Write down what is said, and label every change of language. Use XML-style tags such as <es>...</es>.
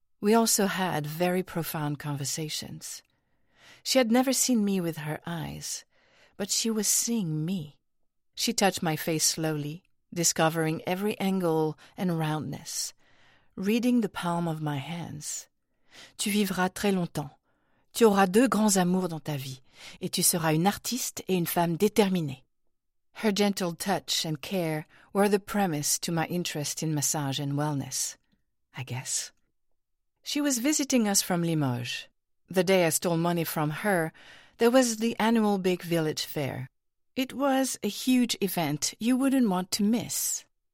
<en>We also had very profound conversations. She had never seen me with her eyes, but she was seeing me. She touched my face slowly, discovering every angle and roundness, reading the palm of my hands.</en> <fr>Tu vivras très longtemps. Tu auras deux grands amours dans ta vie, et tu seras une artiste et une femme déterminée.</fr> <en>Her gentle touch and care were the premise to my interest in massage and wellness, I guess. She was visiting us from Limoges. The day I stole money from her, there was the annual big village fair. It was a huge event you wouldn't want to miss.</en>